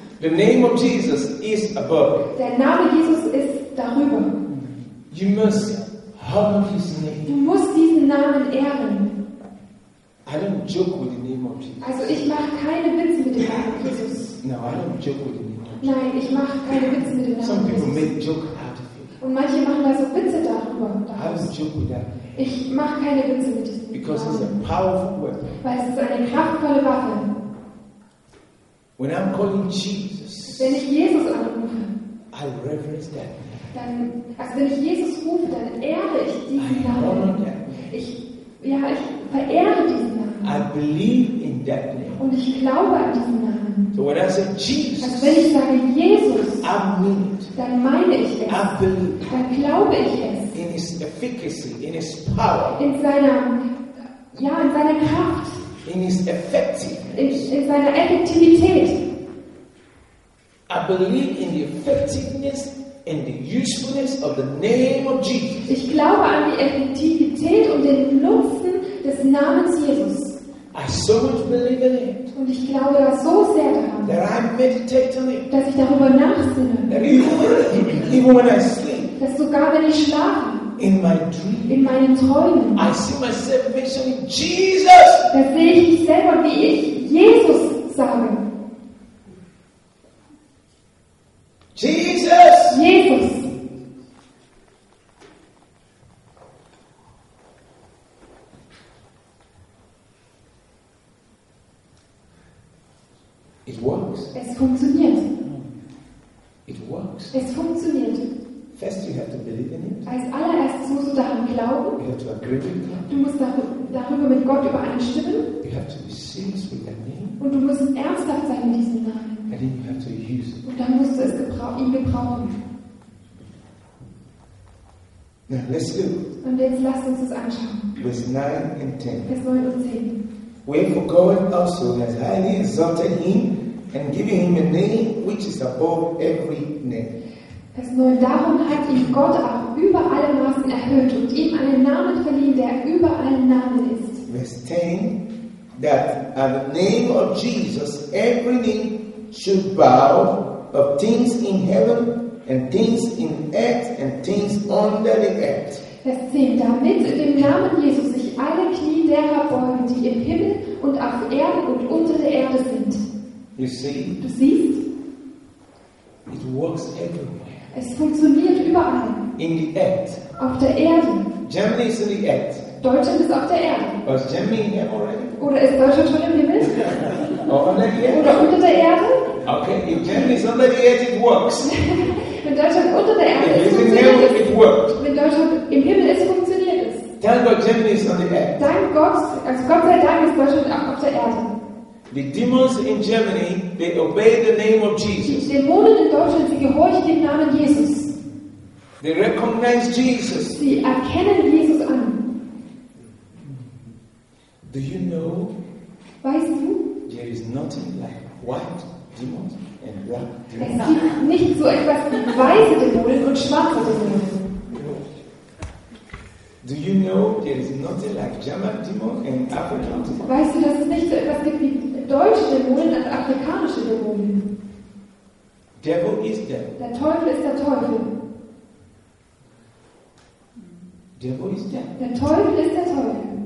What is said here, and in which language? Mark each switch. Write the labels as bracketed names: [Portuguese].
[English] The name of Jesus is above. [German] Der Name Jesus ist darüber. [English] You must honor his name. [German] Du musst diesen Namen ehren. [English] I don't joke with the name of Jesus. [German] Also ich mache keine Witze mit dem Namen Jesus. [English] No, I don't joke with the name of Jesus. [German] Nein, ich mache keine Witze mit dem Namen [English] Some people [German] Jesus. [English] Make joke out of it. [German] Und manche machen da so Witze darüber. [English] I don't joke with that. [German] Ich mache keine Witze mit diesem [English] Because [German] Namen. [English] It's a powerful weapon. [German] Weil es ist eine kraftvolle Waffe. [English] When I'm calling Jesus, [German] wenn ich Jesus anrufe, [English] I reverence that. [German] Dann, also wenn ich Jesus rufe, dann ehre ich diesen [English] I [German] Namen. [English] Honor that. [German] Ich verehre diesen Namen. [English] I believe in that name. [German] Und ich glaube an diesen Namen. [English] So when I say Jesus, [German] also wenn ich sage Jesus, [English] I mean it. [German] Dann meine ich es. [English] I believe. [German] Dann glaube ich es. [English] In his efficacy, in his power. [German] In seiner, ja, in seiner Kraft. [English] In his effectiveness. [German] In seiner Effektivität. [English] I believe in the effectiveness and the usefulness of the name of Jesus. [German] Ich glaube an die Effektivität und den Nutzen des Namens Jesus. [English] I so much believe in it. [German] Und ich glaube da so sehr daran. [English] That I meditate on it. [German] Dass ich darüber nachsinne. [English] That even when I sleep. [German] Dass sogar wenn ich schlafe. [English] In my dream. [German] In meinen Träumen. [English] I see myself mentioning Jesus. [German] Da sehe ich mich selber, wie ich Jesus sage. [English] Jesus. [German] Jesus. [English] It works. [German] Es funktioniert. [English] It works. [German] Es funktioniert. [English] First, you have to believe in it. [German] Als allererstes musst du daran glauben. [English] You have to agree with God. [German] Du musst darüber mit Gott übereinstimmen. [English] You have to be serious with that name. [German] Und du musst ernsthaft sein in diesem Namen. [English] And then you have to use it. [German] Und dann musst du es ihn gebrauchen. [English] Now let's do. [German] Und jetzt lass uns das anschauen. [English] Verse 9 and 10. [German] Vers 9 und 10. [English] Wherefore God also has highly exalted him and given him a name which is above every name. [German] Vers 9. Darum hat ihn Gott auch über alle Maßen erhöht und ihm einen Namen verliehen, der über allen Namen ist. [English] Verse 10. That at the name of Jesus every knee should bow of things in heaven and things in earth and things under the earth. [German] Vers 10. Damit in dem Namen Jesus sich alle Knie derer beugen, die im Himmel und auf Erden und unter der Erde sind. [English] You see? [German] Du siehst? [English] It works everywhere. [German] Es funktioniert überall. [English] In the earth. [German] Auf der Erde. [English] Germany is in the earth. [German] Deutschland ist auf der Erde. [English] Was Germany in heaven already? [German] Oder ist Deutschland schon im Himmel? Oder unter der Erde? [English] Okay, if Germany is under the earth, it works. [German] Wenn Deutschland unter der Erde ist, funktioniert es. [English] It worked. [German] Wenn Deutschland im Himmel ist, funktioniert es. [English] Thank God, Germany is on the earth. [German] Dank Gott, also Gott sei Dank, ist Deutschland auch auf der Erde. [English] The demons in Germany, they obey the name of Jesus. [German] Die Dämonen in Deutschland, sie gehorchen dem Namen Jesus. [English] They recognize Jesus. [German] Sie erkennen Jesus an. [English] Do you know? [German] Weißt du? [English] There is nothing like white demons and black demons. [German] Es gibt nicht so etwas wie weiße Dämonen und schwarze Dämonen. [English] Do you know there is nothing like German demons and African demons? [German] Weißt du, dass es nicht so etwas gibt wie deutsche Dämonen und afrikanische Dämonen? [English] Devil is devil. [German] Der Teufel ist der Teufel. [English] Devil is devil. [German] Der Teufel ist der Teufel.